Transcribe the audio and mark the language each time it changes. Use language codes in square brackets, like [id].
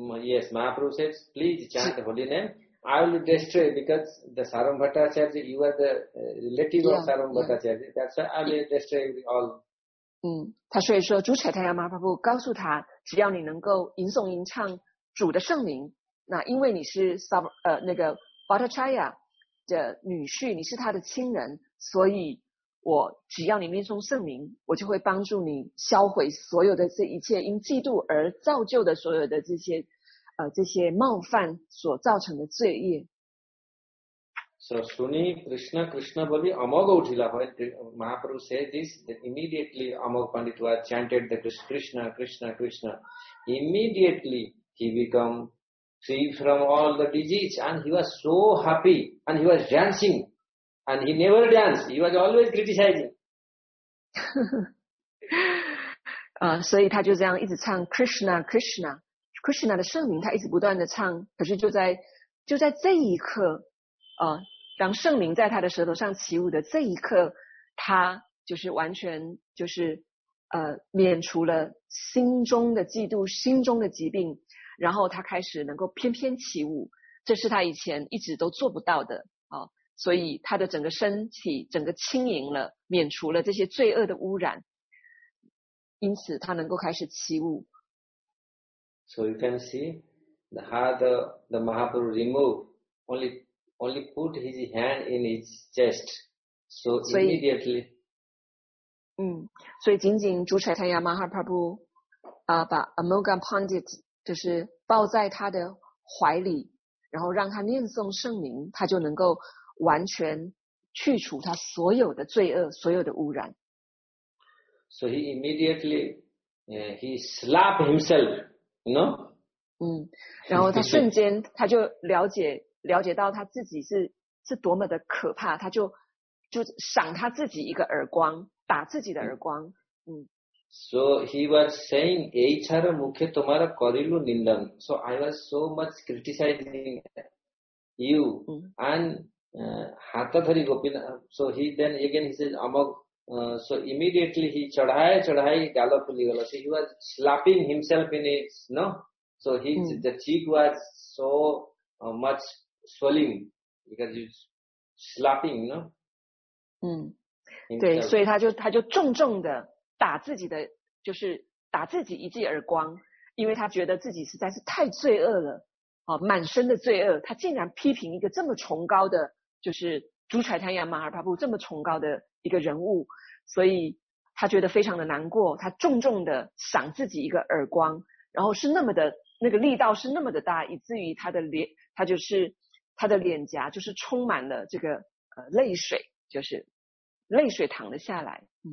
[en] Yes, Mahaprabhu says, please chant the holy name. I will destroy, because the Sarvam Bhattacharya, you are the relative of Sarvam Bhattacharya. That's why I will destroy all. [zh] 他所以说，主宰太阳马哈帕布告诉他，只要你能够吟诵吟唱主的圣名，那因为你是Bhattacharya的女婿，你是他的亲人，所以我只要你念诵圣名，我就会帮助你销毁所有的这一切因嫉妒而造就的所有的这些冒犯所造成的罪业。 [en] So [bn] Suni Krishna Krishna Bali Amoga Uthila, [en] Mahaprabhu said this, that immediately Amoga Pandit was chanted the Krishna Krishna Krishna, immediately he become free from all the disease and he was so happy and he was dancing. And he never danced. He was always criticizing. [zh] 所以他就这样一直唱 Krishna, Krishna, Krishna 的圣名，他一直不断的唱。可是就在这一刻，当圣名在他的舌头上起舞的这一刻，他就是完全就是免除了心中的嫉妒、心中的疾病，然后他开始能够翩翩起舞，这是他以前一直都做不到的啊。所以他的整个身体整个轻盈了，免除了这些罪恶的污染，因此他能够开始起舞。 [en] So you can see how the Mahaprabhu remove only put his hand in his chest, so immediately. [zh] 所以仅仅主宰太阳马哈帕布把 Amoga Pandit 就是抱在他的怀里，然后让他念诵圣名，他就能够完全去除他所有的罪恶，所有的污染。 [en] So he immediately, he slapped himself, you know. [zh] 然后他瞬间他就了解到他自己是多么的可怕，他就赏他自己一个耳光，打自己的耳光。 [en] So he was saying, [bn] "Eichara mukhe tomara korilu nindan." [en] So I was so much criticizing you and. Hatathari Gopina, so he then again he says Amog, so immediately he chadhai galopuli gala. So he was slapping himself in his, no? So the cheek was so much swelling because he's slapping, no? [zh] 对，所以他就重重的打自己的，就是打自己一记耳光，因为他觉得自己实在是太罪恶了，满身的罪恶，他竟然批评一个这么崇高的就是主宰太阳马哈帕布这么崇高的一个人物，所以他觉得非常的难过，他重重的赏自己一个耳光，然后是那么的那个力道是那么的大，以至于他的脸颊就是充满了这个泪水，就是泪水淌了下来。